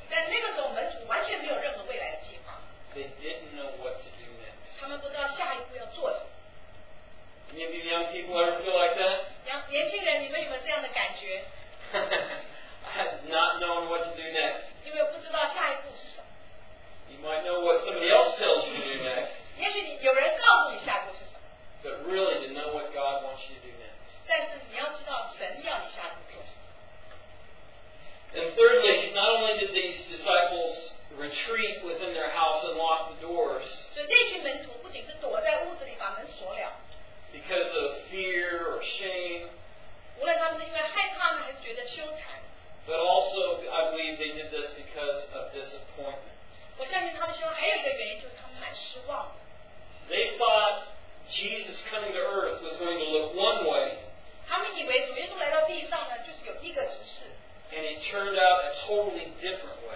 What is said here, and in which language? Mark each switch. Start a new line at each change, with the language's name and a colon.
Chinese: 但那个时候门徒完全没有任何未来的计划。
English: They didn't know what to do next.
Chinese: 他们不知道下一步要做什么。
English: Any of you young people ever feel like that?
Chinese: 年轻人，你们有没有这样的感觉？
English: I have not known what to do next.
Chinese: 因为不知道下一步是什么。
English: You might know what somebody else tells you to do next.
Chinese: 也许有人告诉你下一步是什么。
English: But really, to know what God wants you to do next.
Chinese: 但是你要知道神要你下一步做什么。
English: And thirdly, not only did these disciples retreat within their house and lock the doors,
Chinese: 所以这群门徒不仅是躲在屋子里把门锁了。
English: Because of fear or shame,
Chinese: 无论他们是因为害怕还是觉得羞耻。
English: But also, I believe they did this because of disappointment. They thought Jesus coming to earth was going to look one way. And it turned out a totally different way.